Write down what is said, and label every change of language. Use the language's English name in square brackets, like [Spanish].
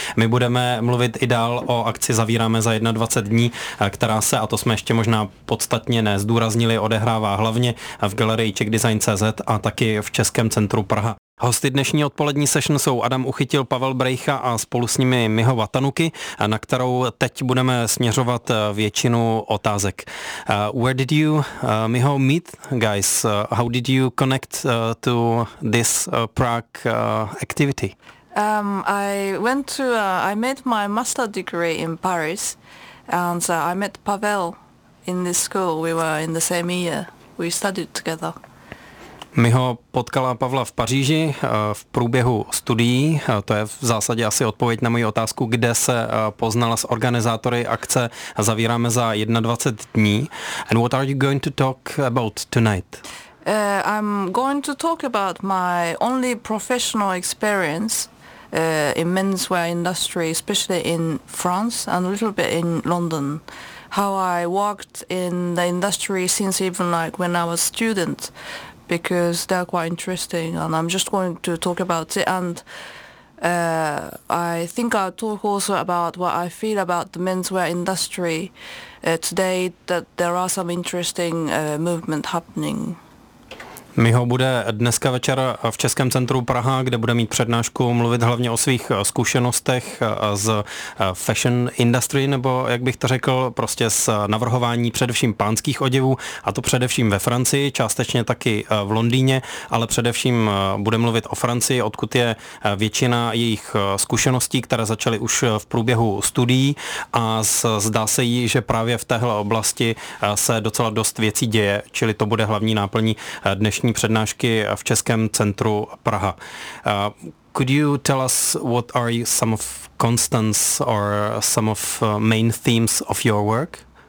[Czech] My budeme mluvit i dál o akci Zavíráme za 21 dní, která se, a to jsme ještě možná podstatně nezdůraznili, odehrává hlavně v galerii CzechDesign.cz a taky v Českém centru Praha. Hosty dnešní odpolední session jsou Adam Uchytil, Pavel Brejcha a spolu s nimi Miho Vatanuki, na kterou teď budeme směřovat většinu otázek. [English] Where did you, Miho, meet guys? How did you connect to this Prague activity? I made my master degree in Paris, and I met Pavel in this school. We were in the same year. We studied together. [Czech] Miho potkala Pavla v Paříži v průběhu studií, to je v zásadě asi odpověď na moji otázku, kde se poznala s organizátory akce Zavíráme za 21 dní. [English] And what are you going to talk about tonight? I'm going to talk about my only professional experience in menswear industry, especially in France and a little bit in London. How I worked in the industry since even like when I was a student, because they're quite interesting, and I'm just going to talk about it. And I think I'll talk also about what I feel about the menswear industry today, that there are some interesting movement happening. [Czech] Miho bude dneska večer v Českém centru Praha, kde bude mít přednášku, mluvit hlavně o svých zkušenostech z fashion industry, nebo jak bych to řekl, prostě z navrhování především pánských oděvů, a to především ve Francii, částečně taky v Londýně, ale především bude mluvit o Francii, odkud je většina jejich zkušeností, které začaly už v průběhu studií, a zdá se jí, že právě v téhle oblasti se docela dost věcí děje, čili to bude hlavní náplní dnešní přednášky v Českém centru Praha. [English] Could you tell us what are some of constants or some of main themes of your work?